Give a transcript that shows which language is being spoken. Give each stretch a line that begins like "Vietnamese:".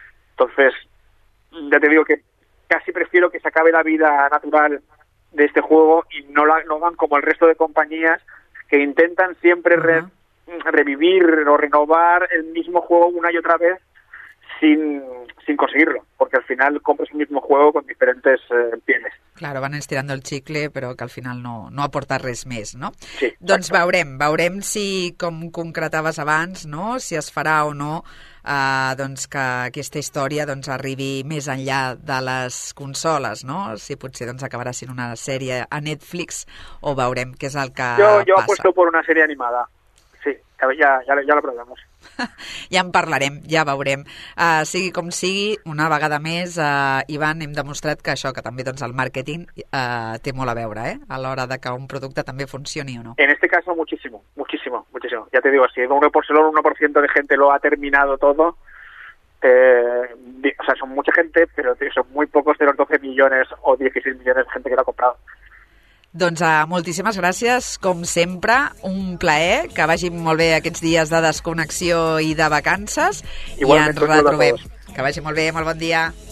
Spanish: Entonces, ya te digo que casi prefiero que se acabe la vida natural de este juego y no hagan como el resto de compañías que intentan siempre revivir o renovar el mismo juego una y otra vez sin conseguirlo, porque al final compras el mismo juego con diferentes pieles. Claro, van estirando el chicle, pero que al final no aporta
Catalan: res més,
Spanish: no? Sí.
Catalan: Doncs veurem si, com concretaves abans, no, si es farà o no, doncs que aquesta història doncs arribi més enllà de les consoles, no? Si potser doncs acabarà sent una sèrie a Netflix, o veurem què és el que passa. Jo aposto per una sèrie animada.
Spanish: Ya lo probamos.
Catalan: Ja en parlarem, ja veurem. Sigui com sigui, una vegada més, Ivan, hem demostrat que això, que també doncs, el màrqueting té molt a veure, a l'hora de que un producte també funcioni o no.
Spanish: En este caso, muchísimo, muchísimo, muchísimo. Ya te digo, si el 1%, 1% de gente lo ha terminado todo, o sea, son mucha gente, pero son muy pocos de los 12 millones o 16 millones de gente que lo ha comprado.
Catalan: Doncs moltíssimes gràcies, com sempre, un plaer, que vagi molt bé aquests dies de desconnexió i de vacances. Igualment, i ens retrobem. Que vagi molt bé, molt bon dia.